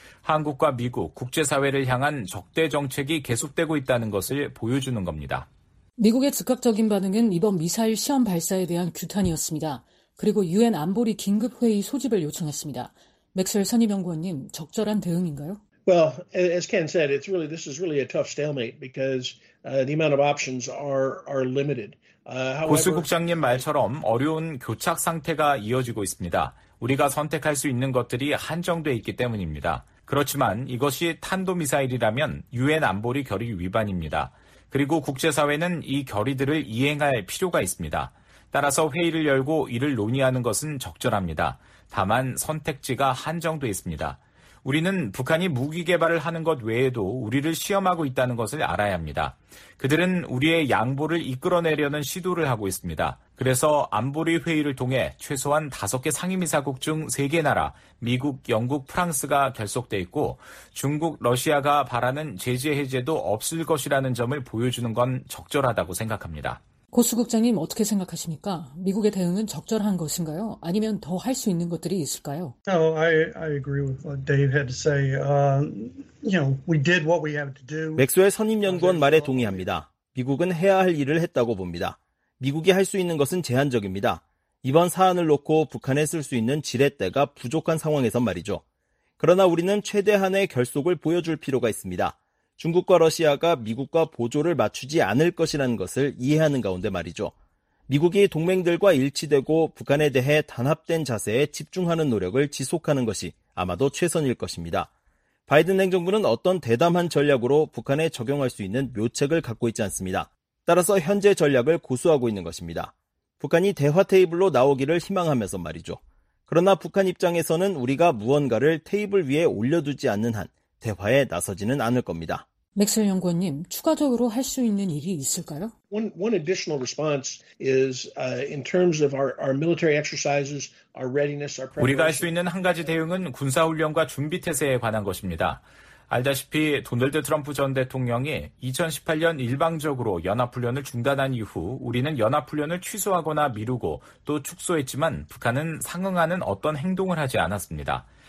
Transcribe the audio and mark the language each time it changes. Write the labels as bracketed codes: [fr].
[ko] 한국과 미국, 국제사회를 향한 적대 정책이 계속되고 있다는 것을 보여주는 겁니다. 미국의 즉각적인 반응은 이번 미사일 시험 발사에 대한 규탄이었습니다. 그리고 유엔 안보리 긴급회의 소집을 요청했습니다. 맥스웰 선임연구원님, 적절한 대응인가요? [en] Well, as Ken said, it's really this is really a tough stalemate because the amount of options are limited. [ko] 보스 국장님 말처럼 어려운 교착 상태가 이어지고 있습니다. 우리가 선택할 수 있는 것들이 한정돼 있기 때문입니다. 그렇지만 이것이 탄도미사일이라면 유엔 안보리 결의 위반입니다. 그리고 국제사회는 이 결의들을 이행할 필요가 있습니다. 따라서 회의를 열고 이를 논의하는 것은 적절합니다. 다만 선택지가 한정돼 있습니다. 우리는 북한이 무기 개발을 하는 것 외에도 우리를 시험하고 있다는 것을 알아야 합니다. 그들은 우리의 양보를 이끌어내려는 시도를 하고 있습니다. 그래서 안보리 회의를 통해 최소한 5개 상임이사국 중 3개 나라, 미국, 영국, 프랑스가 결속돼 있고 중국, 러시아가 바라는 제재 해제도 없을 것이라는 점을 보여주는 건 적절하다고 생각합니다. 고수 국장님 어떻게 생각하십니까? 미국의 대응은 적절한 것인가요? 아니면 더 할 수 있는 것들이 있을까요? [en] No, I agree with what Dave had to say. We did what we have to do. [ko] 맥스웰 선임 연구원 말에 동의합니다. 미국은 해야 할 일을 했다고 봅니다. 미국이 할 수 있는 것은 제한적입니다. 이번 사안을 놓고 북한에 쓸 수 있는 지렛대가 부족한 상황에서 말이죠. 그러나 우리는 최대한의 결속을 보여줄 필요가 있습니다. 중국과 러시아가 미국과 보조를 맞추지 않을 것이라는 것을 이해하는 가운데 말이죠. 미국이 동맹들과 일치되고 북한에 대해 단합된 자세에 집중하는 노력을 지속하는 것이 아마도 최선일 것입니다. 바이든 행정부는 어떤 대담한 전략으로 북한에 적용할 수 있는 묘책을 갖고 있지 않습니다. 따라서 현재 전략을 고수하고 있는 것입니다. 북한이 대화 테이블로 나오기를 희망하면서 말이죠. 그러나 북한 입장에서는 우리가 무언가를 테이블 위에 올려두지 않는 한 대화에 나서지는 않을 겁니다. 맥스웰 연구원님, 추가적으로 할 수 있는 일이 있을까요? [en] One additional response is in terms of our military exercises, our readiness, our preparation. [ko] 우리가 할 수 있는 한 가지 대응은 군사 훈련과 준비 태세에 관한 것입니다. 알다시피 도널드 트럼프 전 대통령이 2018년 일방적으로 연합훈련을 중단한 이후 우리는 연합훈련을 취소하거나 미루고 또 축소했지만 북한은 상응하는 어떤 행동을 하지 않았습니다.